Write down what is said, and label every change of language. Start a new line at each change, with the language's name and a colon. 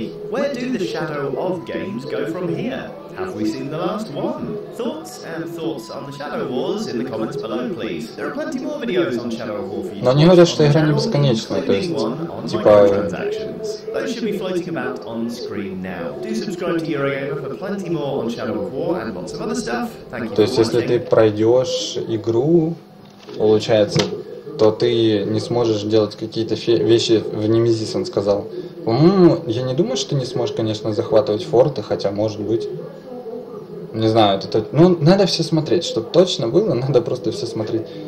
English: Where do the Shadow of Games go from here? Have we seen the last one? Thoughts and thoughts on the Shadow Wars in the comments below, please. There are plenty more videos on Shadow of War for you.
Russian: Но они говорят, что игра не бесконечна, то есть, типа...
English: Those should be floating about on screen now. Do subscribe to Eurogamer for plenty more on Shadow of War and lots of other stuff. Thank you.
Russian: То есть, если ты пройдешь игру, получается... то ты не сможешь делать какие-то вещи в Немезис, он сказал. Я не думаю, что ты не сможешь, конечно, захватывать форты, хотя, может быть. Не знаю, это... Ну, надо все смотреть, чтобы точно было, надо просто все смотреть.